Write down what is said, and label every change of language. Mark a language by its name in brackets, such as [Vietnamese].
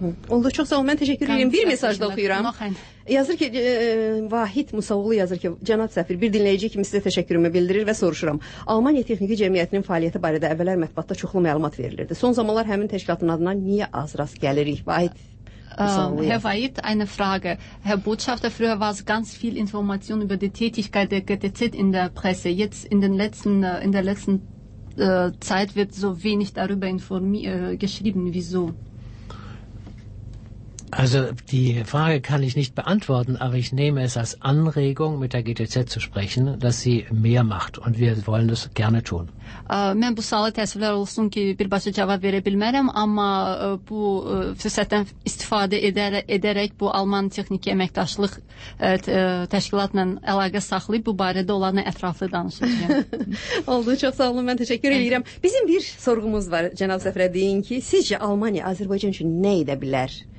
[Azerbaijani] Onda çox sağ olun, mən təşəkkür edirəm. Bir mesaj da oxuyuram. Yazır ki, Vahid Musaoğlu yazır ki, cənab səfir, bir dinləyici kimi sizə təşəkkürümü bildirir və soruşuram. Almaniya Texniki Cəmiyyətinin fəaliyyəti barədə əvvəllər mətbuatda çoxlu məlumat verilirdi. Son zamanlar həmin təşkilatın adına niyə az rast gəlirik, Vahid? [German] Herr Vahid, eine Frage. Herr Botschafter, früher war es ganz viel Information über die Tätigkeit der GTZ in der Presse. Jetzt in der letzten Zeit wird so wenig darüber geschrieben. Wieso? Also die Frage kann ich nicht beantworten, aber ich nehme es als Anregung, mit der GTZ zu sprechen, dass sie mehr macht. Und wir wollen das gerne tun. [Azerbaijani] Mən bu sualı təəssüflər olsun ki, birbaşa cavab verə bilmərəm, amma bu fürsətdən istifadə edərək bu Alman Texniki Əməkdaşlıq Təşkilatla əlaqə saxlayıb, bu barədə olanı ətraflı danışacağım. Oldu, çox sağ olun, mən təşəkkür edirəm. Bizim bir sorğumuz var, cənab səfirə, deyin ki, sizcə Almaniya Azərbaycan üçün nə edə bilər?